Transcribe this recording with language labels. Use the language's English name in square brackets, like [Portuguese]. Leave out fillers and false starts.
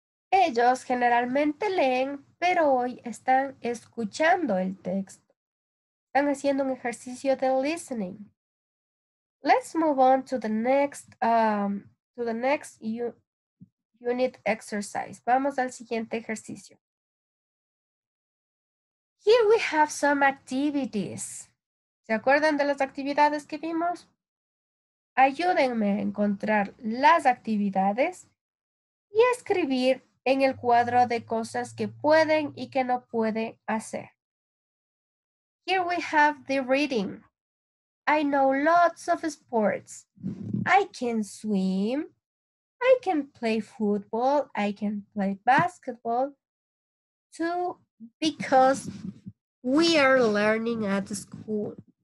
[Spanish] Ellos generalmente leen, pero hoy están escuchando el texto. Están haciendo un ejercicio de listening. [English] Let's move on to the next unit exercise. [Spanish] Vamos al siguiente ejercicio. [English] Here we have some activities. [Spanish] ¿Se acuerdan de las actividades que vimos? Ayúdenme a encontrar las actividades y a escribir en el cuadro de cosas que pueden y que no pueden hacer. [English] Here we have the reading. I know lots of sports. I can swim. I can play football, I can play basketball too, because we are learning at school.